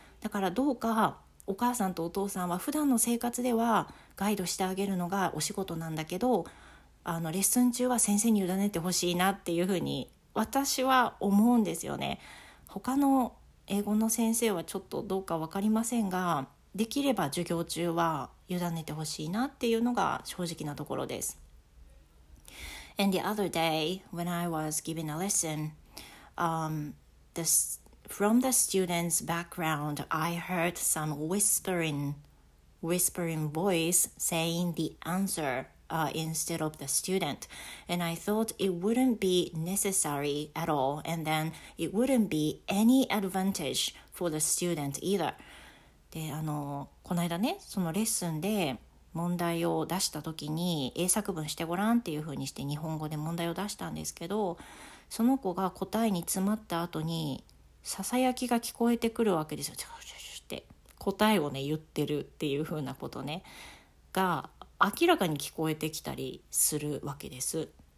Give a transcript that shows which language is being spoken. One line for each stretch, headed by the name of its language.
Japanese: だからどうかお母さんとお父さんは普段の生活ではガイドしてあげるのがお仕事なんだけど、あの、レッスン中は先生に委ねてほしいなっていうふうに私は思うんですよね。他の英語の先生はちょっとどうか分かりませんが、できれば授業中は委ねてほしいなっていうのが正直なところです。
English: And the other day, when I was giving a lesson, from the student's background, I heard some whispering voice saying the answer instead of the student. And I thought it wouldn't be necessary at all, and then it wouldn't be any advantage for the student either.
Japanese: で、あの、この間ね、そのレッスンで問題を出した時に、英作文してごらんっていう風にして日本語で問題を出したんですけど、その子が答えに詰まった後にささやきが聞こえてくるわけですよ。チュチュチュって答えをね言ってるっていう風なことね、が明らかに聞こえてきたりするわけです。